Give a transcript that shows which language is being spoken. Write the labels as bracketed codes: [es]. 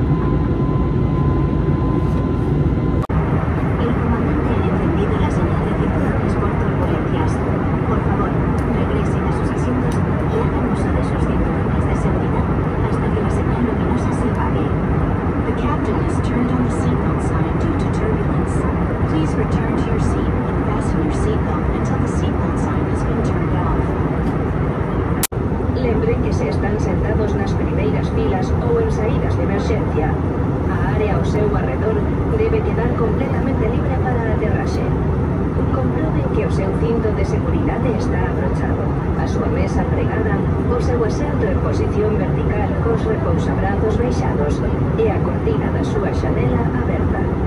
[es] El comandante ha encendido la señal de tripulantes por turbulencias. Por favor, regresen a sus asientos y hagan uso de sus cinturones de seguridad hasta que la señal luminosa se apague. [en] The captain has turned on the seatbelt sign due to turbulence. Please return to your seat and fasten your seatbelt until the seatbelt sign has been turned off. [gl] Lembren que se están sentados nas primeiras filas ou en saídas de emerxencia. A área ao seu arredor debe quedar completamente libre para aterraxe. Comproben que o seu cinto de seguridade está abrochado, a súa mesa pregada, o seu asento en posición vertical cos repousabrazos baixados e a cortina da súa xanela aberta.